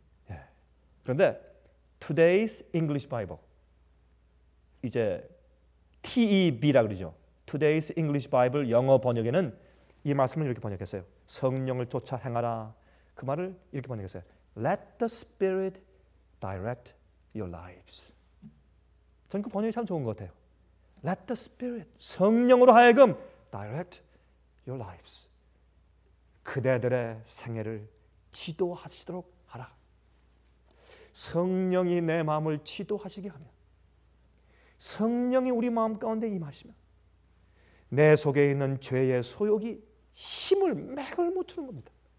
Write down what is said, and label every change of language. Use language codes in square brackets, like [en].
[ko] 예. 그런데 Today's English Bible, 이제 TEB라 그러죠. Today's English Bible 영어 번역에는 이 말씀을 이렇게 번역했어요. 성령을 쫓아 행하라. 그 말을 이렇게 번역했어요. [en] Let the Spirit direct your lives. [ko] 저는 그 번역이 참 좋은 것 같아요. [en] Let the Spirit, [ko] 성령으로 하여금 [en] direct your lives. [ko] 그대들의 생애를 지도하시도록 하라. 성령이 내 마음을 지도하시게 하면, 성령이 우리 마음 가운데 임하시면 내 속에 있는 죄의 소욕이 힘을 맥을 못 주는 겁니다.